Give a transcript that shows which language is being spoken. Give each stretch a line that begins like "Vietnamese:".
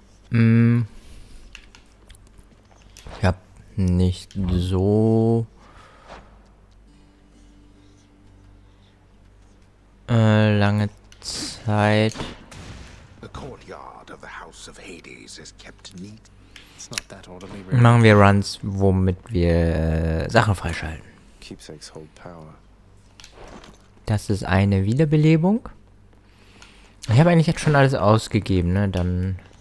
German: Ich hab nicht so lange Zeit.
English: The courtyard of the House of Hades is kept neat. It's not that orderly, really.
German: Machen wir Runs, womit wir Sachen freischalten.
English: Keepsakes hold power.
German: Das ist eine Wiederbelebung. Ich habe eigentlich jetzt schon alles ausgegeben, ne?